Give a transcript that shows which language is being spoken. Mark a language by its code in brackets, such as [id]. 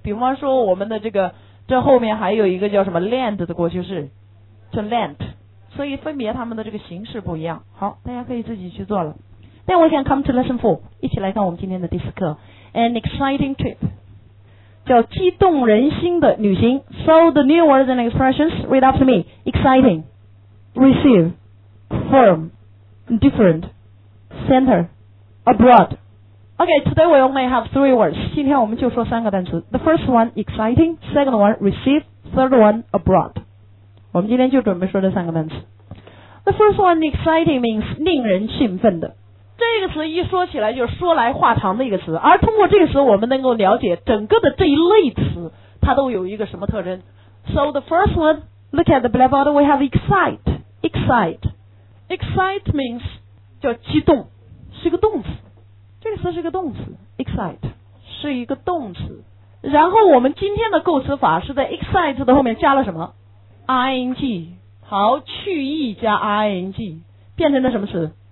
[zh] 比方说我们的这后面还有一个叫什么 lend 的过去式叫 lent， 所以分别他们的这个形式不一样。好，大家可以自己去做了。 [en] Then we can come to lesson 4， [zh] 一起来看我们今天的第四课。 [en] An exciting trip， [zh] 叫激动人心的旅行。 [en] So the new words and expressions read after me. Exciting, receive, firm, different, center, abroad. Okay, today we only have 3 words. [zh] 今天我们就说三个单词。 [en] The first one, exciting. Second one, receive. Third one, abroad. [zh] 我们今天就准备说这三个单词。 [en] The first one, exciting means [zh] 令人兴奋的。这个词一说起来就是说来话长的一个词，而通过这个词我们能够了解整个的这一类词它都有一个什么特征。 [en] So the first one, look at the blackboard, we have excite. Excite, excite means [zh] 叫激动，是个动词，这个词是个动词， excite 是一个动词。然后我们今天的构词法是在 excite 的后面加了什么 ing， 好，去意加 ing 变成了什么词？